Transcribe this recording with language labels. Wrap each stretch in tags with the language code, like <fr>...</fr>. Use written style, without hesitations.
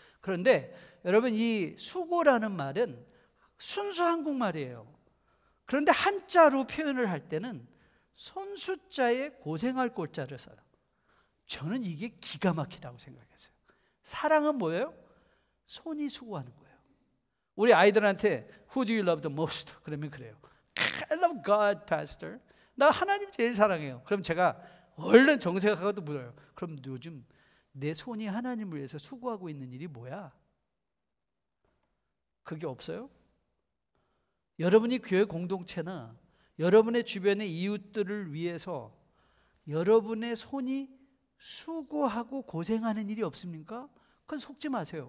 <ko>그런데 여러분 이 수고라는 말은 순수 한국말이에요. 그런데 한자로 표현을 할 때는 손수자에 고생할 골자를 써요. 저는 이게 기가 막히다고 생각했어요. 사랑은 뭐예요? 손이 수고하는 거예요. 우리 아이들한테</ko> <en>Who do you love the most? 그러면 그래요. I love God, Pastor.</en> <ko>나 하나님 제일 사랑해요. 그럼 제가 얼른 정색하고도 물어요. 그럼 요즘 내 손이 하나님을 위해서 수고하고 있는 일이 뭐야? 그게 없어요? 여러분이 교회 공동체나 여러분의 주변의 이웃들을 위해서 여러분의 손이 수고하고 고생하는 일이 없습니까? 그건 속지 마세요.</ko>